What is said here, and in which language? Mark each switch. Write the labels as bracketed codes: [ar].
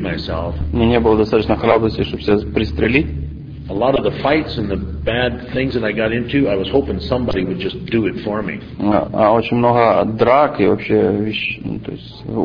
[ru] меня не было достаточно храбрости, чтобы себя пристрелить. [en] A lot of the fights and the bad things that I got into, I was hoping somebody would just do it for me. [ru] А очень много драк и вообще вещь, то есть.